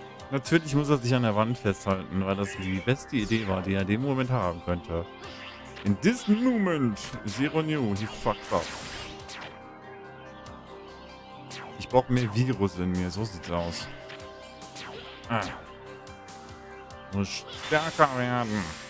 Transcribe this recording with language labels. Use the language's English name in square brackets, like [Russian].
[German] Natürlich muss er sich an der Wand festhalten, weil das die beste Idee war, die er in dem Moment haben könnte. [English] In this moment, Zero New, he fucked up. [German] Ich brauch mehr Virus in mir, so sieht's aus. Ah. Muss stärker werden.